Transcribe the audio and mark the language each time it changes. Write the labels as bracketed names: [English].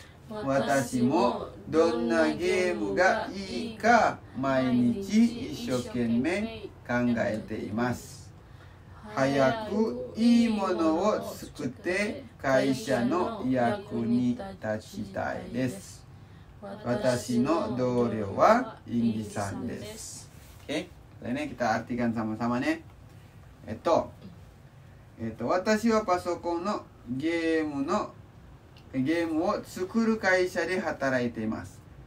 [Japanese] 私もどんなゲームがいいか毎日一生懸命考えています。早くいいものを作って会社の役に立ちたいです。私の同僚はインディさんです。 [Indonesian] OK、 [Japanese] これね、 [Indonesian] kita artikan sama-sama ね。 [Japanese] 私はパソコンのゲームを作る会社で働いています。